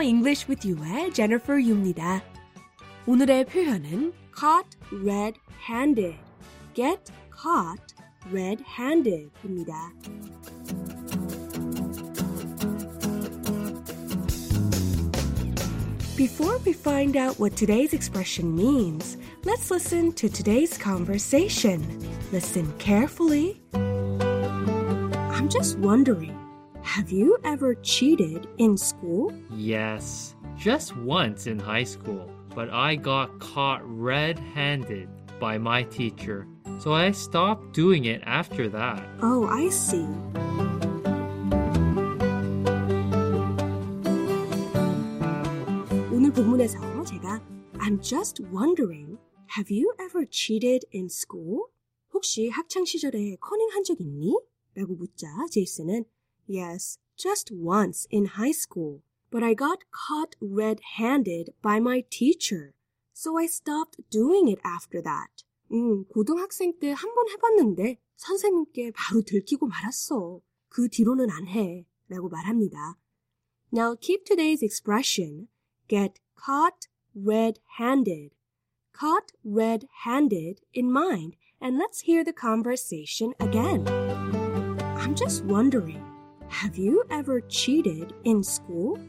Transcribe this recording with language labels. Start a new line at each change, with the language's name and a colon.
Korean: English with you의 Jennifer Yu입니다. 오늘의 표현은 caught red-handed.
English: Get caught red-handed입니다. Before we find out what today's expression means, let's listen to today's conversation. Listen carefully. I'm just wondering, have you ever cheated in school? Yes, just once in high school, but I got caught red-handed by my teacher. So I stopped doing it after that. Oh, I see. I'm just wondering, have you ever cheated in school?
Korean: 혹시 학창 시절에 커닝한 적 있니? 라고 묻자 제이슨은 Yes, just once in high school.
English: But I got caught red-handed by my teacher. So I stopped doing it after that.
Korean: 고등학생 때 한 번 해봤는데 선생님께 바로 들키고 말았어. 그 뒤로는 안 해. 라고 말합니다.
English: Now keep today's expression. Get caught red-handed. Caught red-handed in mind. And let's hear the conversation again. I'm just wondering, have you ever cheated in school?